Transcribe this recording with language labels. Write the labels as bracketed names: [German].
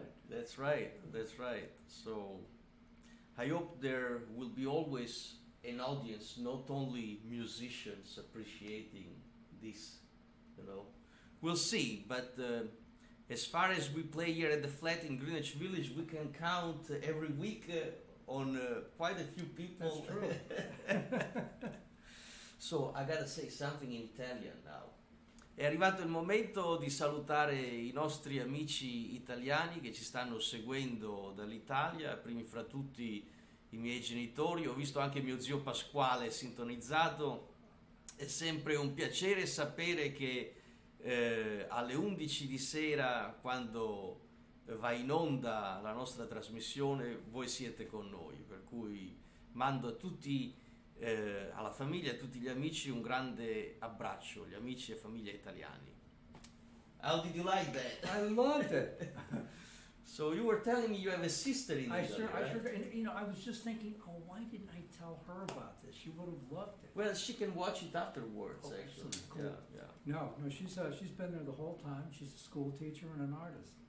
[English] That's right. So I hope there will be always an audience, not only musicians, appreciating this, you know. We'll see, but as far as we play here at the flat in Greenwich Village, we can count every week on quite a few people. That's true. So I gotta say something in Italian now. [Italian] È arrivato il momento di salutare i nostri amici italiani che ci stanno seguendo dall'Italia, primi fra tutti i miei genitori. Ho visto anche mio zio Pasquale sintonizzato. È sempre un piacere sapere che alle 11 di sera, quando va in onda la nostra trasmissione, voi siete con noi. Per cui mando a tutti, alla famiglia, a tutti gli amici, un grande abbraccio, gli amici e famiglia italiani. [English] How did you like that? I loved it. So you were telling me you have a sister in Italy, sure, right? I sure, and, you know, I was just thinking, oh, why didn't I tell her about this? She would have loved it. Well, she can watch it afterwards, oh, actually. Cool. Yeah. No, she's been there the whole time. She's a school teacher and an artist.